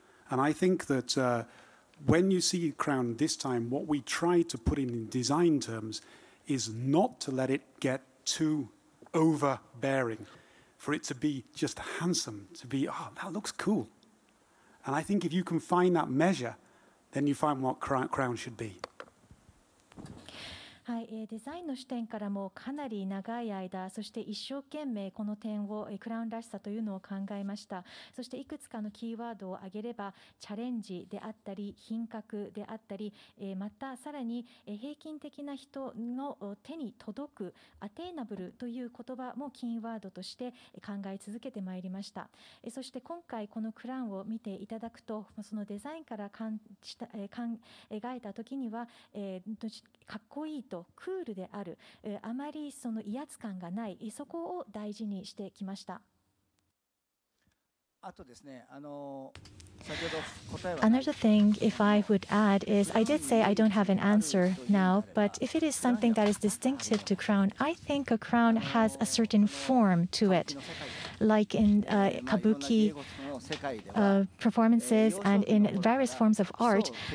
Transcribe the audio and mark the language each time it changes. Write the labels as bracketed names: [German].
[English] And I think that when you see crown this time, what we try to put in design terms is not to let it get too overbearing, for it to be just handsome, to be, oh, that looks cool. And I think if you can find that measure, then you find what crown should be. [Japanese] はい、デザインの視点からもかなり長い間、そして一生懸命この点をクラウンらしさというのを考えました。そしていくつかのキーワードを挙げれば、チャレンジであったり品格であったり、またさらに平均的な人の手に届くアテイナブルという言葉もキーワードとして考え続けてまいりました。そして今回このクラウンを見ていただくと、そのデザインから考えた時にはかっこいいとクールである、あまりその威圧感がない、そこを大事にしてきました。あとですね、先ほど答えは [English] Another thing if I would add is I did say I don't have an answer now, but if it is something that is distinctive to crown, I think a crown has a certain form to it, like in kabuki performances and in various forms of art.